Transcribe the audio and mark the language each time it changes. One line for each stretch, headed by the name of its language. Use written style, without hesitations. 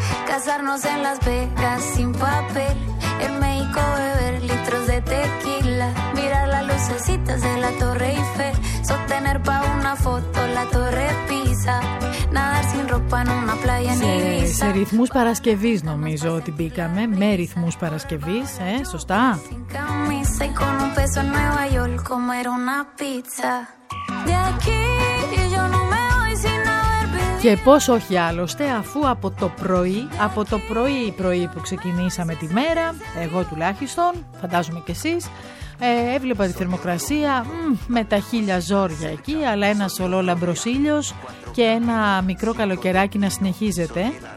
Spanish: Casarnos en Las Vegas sin papel. En México beber litros de tequila. Mirar las lucecitas de la Torre Eiffel. Sostener pa' una foto la Torre Pisa. Nadar sin ropa en una playa en Ibiza.
Greek: Σε ρυθμούς Παρασκευής νομίζω ότι μπήκαμε. Με ρυθμούς Παρασκευής, σωστά.
Spanish: Sin camisa y con un peso en Nueva York comer una pizza. De aquí yo no me.
Greek: Και πώς όχι άλλωστε, αφού από το πρωί, από το πρωί που ξεκινήσαμε τη μέρα, εγώ τουλάχιστον, φαντάζομαι και εσείς, έβλεπα τη θερμοκρασία με τα χίλια ζόρια εκεί, αλλά ένας ολόλαμπρος ήλιος και ένα μικρό καλοκαιράκι να συνεχίζεται.